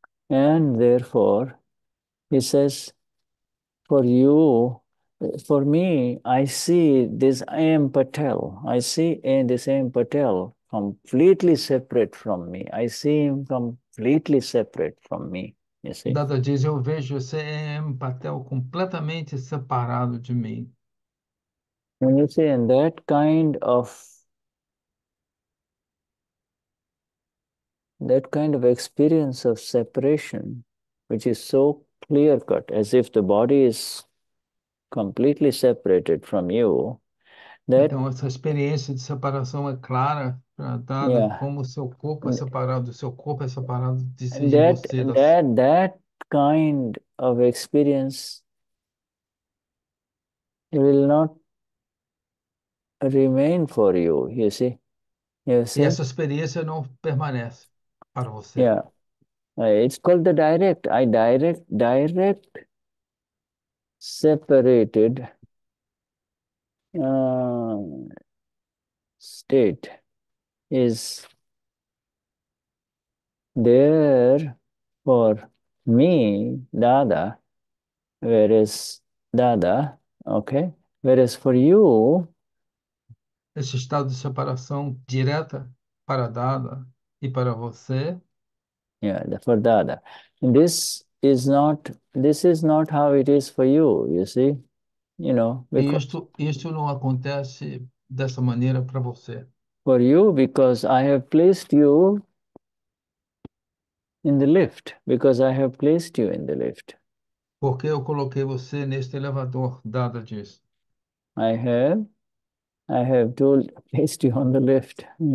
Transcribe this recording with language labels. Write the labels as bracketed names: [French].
[English] And therefore, he says, for you, for me, I see this I am Patel. I see in this I am Patel completely separate from me. I see him completely separate from me, you see. [Portuguese] Dada diz, eu vejo você é um papel completamente separado de mim. [English] When you see in that kind of experience of separation, which is so clear cut, as if the body is completely separated from you, that, [Portuguese] Então, essa experiência de separação é clara, dada como o seu corpo é separado, o seu corpo é separado de você, da sua. [English] that kind of experience will not remain for you, you see? You [Portuguese] E [English] see? [Portuguese] essa experiência não permanece para você. [English] Yeah, it's called the direct. I direct separated state is there for me, Dada. Whereas Dada, okay? Whereas for you. [Portuguese] Esse estado de separação direta para Dada e para você. [English] Yeah, for Dada. This is not how it is for you, you see? You know, [Portuguese] E [English] because [Portuguese] isto não acontece dessa maneira para você. [English] for you, because I have placed you in the lift. Because I have placed you in the lift. [Portuguese] Porque eu coloquei você neste elevador, Dada disse. [English] I have told placed you on the lift.